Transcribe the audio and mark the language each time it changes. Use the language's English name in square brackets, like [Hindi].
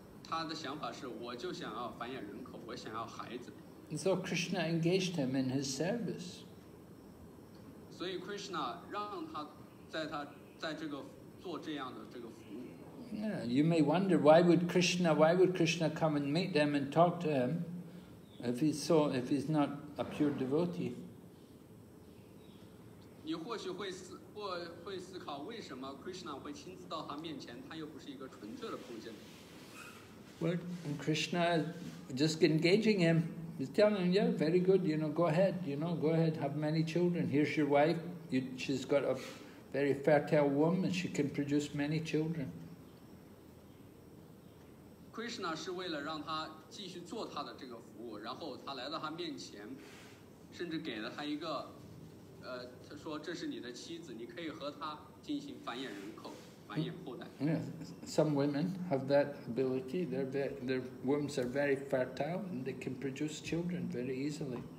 [Chinese] 他的想法是我就想要繁衍人口。 [English] And so Krishna engaged him in his service. [Chinese] So Krishna 让他在他在这个做这样的这个服务。 [English] Yeah, you may wonder why would Krishna come and meet them and talk to him if he's not a pure devotee. [Chinese] 你或许会思考为什么 Krishna 会亲自到他面前，他又不是一个纯粹的空间。 [English] Well, and Krishna just engaging him. He's telling him, yeah, very good, go ahead, have many children. Here's your wife. She's got a very fertile womb and she can produce many children. [Chinese] Krishna 是为了让他继续做他的这个服务，然后他来到他面前，甚至给了他一个，他说这是你的妻子，你可以和他进行繁衍人口。 [English] Yeah, some women have that ability. Their wombs are very fertile and they can produce children very easily.